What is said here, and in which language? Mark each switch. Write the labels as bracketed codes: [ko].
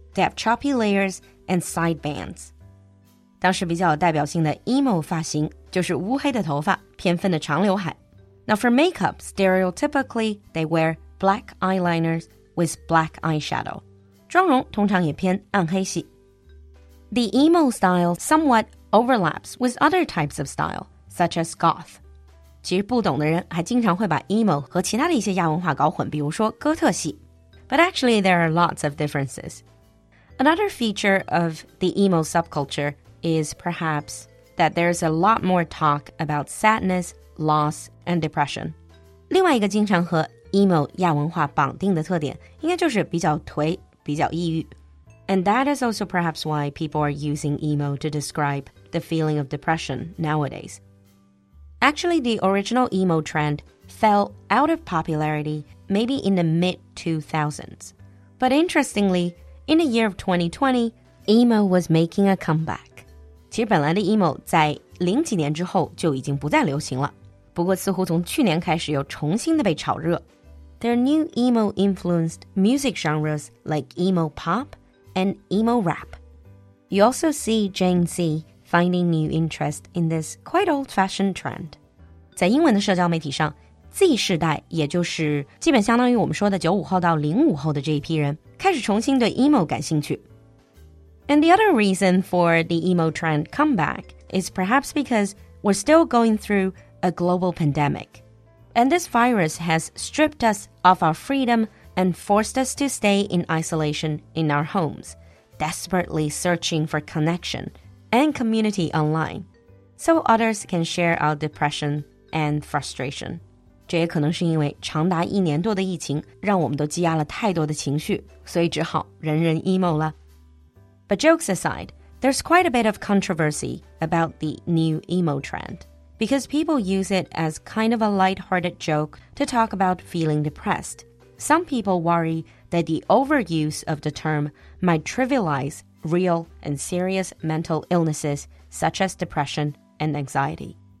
[en] They have choppy layers,and sidebands. [zh] 当时比较有代表性的 emo 发型就是乌黑的头发偏分的长刘海。 [en] Now for makeup, stereotypically, they wear black eyeliners with black eyeshadow. [zh] 妆容通常也偏暗黑系。 [en] The emo style somewhat overlaps with other types of style, such as goth. [zh] 其实不懂的人还经常会把 emo 和其他的一些亚文化搞混，比如说哥特系。 [en] But actually, there are lots of differences. Another feature of the emo subculture is perhaps that there's a lot more talk about sadness, loss, and depression. [zh] 另外一个经常和 emo 亚文化绑定的特点应该就是比较颓，比较抑郁。 [en] And that is also perhaps why people are using emo to describe the feeling of depression nowadays. Actually, the original emo trend fell out of popularity maybe in the mid-2000s. But interestingly,In the year of 2020, emo was making a comeback. [zh] 其实本来的 emo 在零几年之后就已经不再流行了。不过似乎从去年开始又重新的被炒热。 [en] There are new emo-influenced music genres like emo pop and emo rap. You also see Gen Z finding new interest in this quite old-fashioned trend. [zh] 在英文的社交媒体上 ,Z 世代也就是基本相当于我们说的95后到05后的这一批人。开始重新对 emo 感兴趣。 [en] And the other reason for the emo trend comeback is perhaps because we're still going through a global pandemic. And this virus has stripped us of our freedom and forced us to stay in isolation in our homes, desperately searching for connection and community online, so others can share our depression and frustration. [zh] 这也可能是因为长达一年多的疫情让我们都积压了太多的情绪，所以只好人人 emo 了。 [en] But jokes aside, there's quite a bit of controversy about the new emo trend. Because people use it as kind of a lighthearted joke to talk about feeling depressed. Some people worry that the overuse of the term might trivialize real and serious mental illnesses such as depression and anxiety.